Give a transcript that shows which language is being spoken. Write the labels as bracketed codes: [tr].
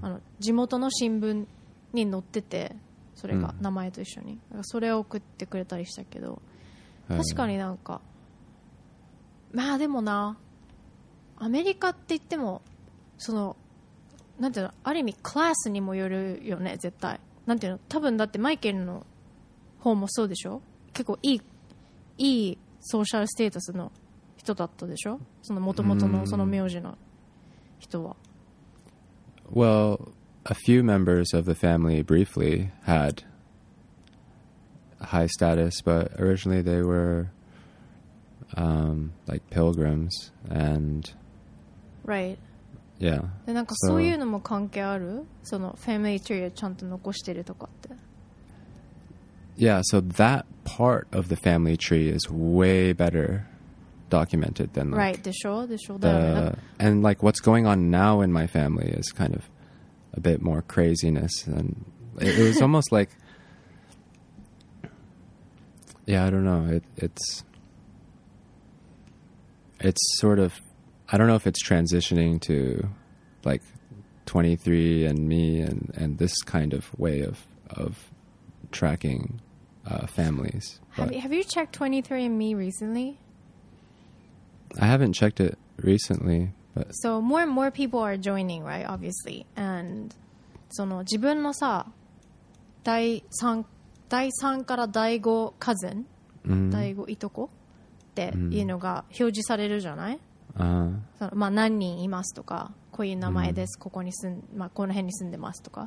[ja] あの地元の新聞に載ってて、それが名前と一緒に、うん、それを送ってくれたりしたけど、確かになんか、まあでもな、アメリカって言っても、その、なんていうの、ある意味、クラスにもよるよね、絶対。なんていうの、多分だって、マイケルの方もそうでしょ？結構いいソーシャルステータスの人だったでしょ？その元々の、その名字の人は。 [en] Well, a few members of the family briefly had high status, but originally they were, like pilgrims and. Right. Yeah. [ja] で、なんかそういうのも関係ある？そのファミリーツリーをちゃんと残してるとかって。 [en] Yeah, so that part of the family tree is way better documented than like, [ja] right, でしょ、 [en] and like what's going on now in my family is kind of a bit more craziness, and it was almost like, yeah, I don't know, it's sort of, I don't know if it's transitioning to like 23 and me and this kind of way of tracking families. Have you checked 23 and me recently? I haven't checked it recently, but so more and more people are joining, right, obviously. [ja] And その自分のさ、第3から第5カズン、第5いとこっていうのが表示されるじゃない？その、まあ、何人いますとか、こういう名前です、ここに住ん、まあ、この辺に住んでますとか。